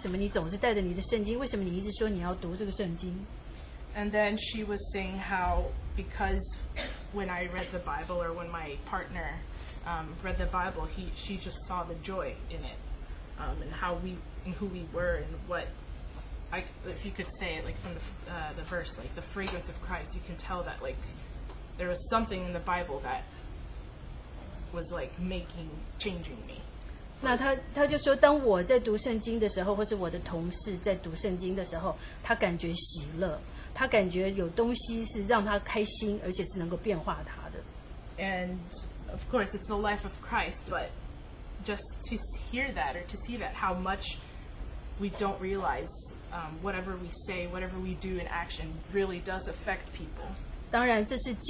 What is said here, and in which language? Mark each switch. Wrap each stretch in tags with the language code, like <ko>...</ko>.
<zh>那到了倒数第二天，我就问她了，我说为什么你总是带着你的圣经？为什么你一直说你要读这个圣经？</zh> <en>And then she was saying how because when I read the Bible or when my partner read the Bible, she just saw the joy in it and how we and who we were and what I if you could say it like from the verse like the fragrance of Christ, you can tell that like there was something in the Bible that was like making changing me.</en> <zh>那他就说，当我在读圣经的时候，或是我的同事在读圣经的时候，他感觉喜乐。他感觉有东西是让他开心，而且是能够变化他的。</zh> <en>And of course, it's the life of Christ, but just to hear that or to see that how much we don't realize, whatever we say, whatever we do in action, really does affect people.</en>